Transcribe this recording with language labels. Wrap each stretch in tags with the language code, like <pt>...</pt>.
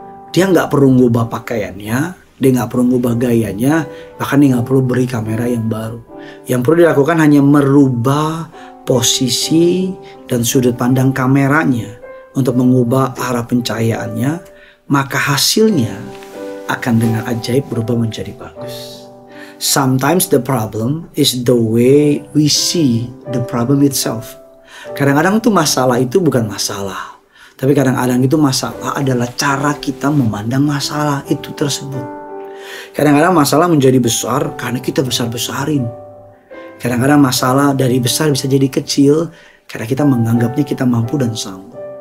<id>Dia nggak perlu ngubah pakaiannya, dia nggak perlu ngubah gayanya, bahkan dia nggak perlu beri kamera yang baru. Yang perlu dilakukan hanya merubah posisi dan sudut pandang kameranya untuk mengubah arah pencahayaannya, maka hasilnya akan dengan ajaib berubah menjadi bagus.</id> <en>Sometimes the problem is the way we see the problem itself.</en> <id>Kadang-kadang tuh masalah itu bukan masalah. Tapi kadang-kadang itu masalah adalah cara kita memandang masalah itu tersebut. Kadang-kadang masalah menjadi besar karena kita besar-besarin. Kadang-kadang masalah dari besar bisa jadi kecil karena kita menganggapnya kita mampu dan sanggup.</id>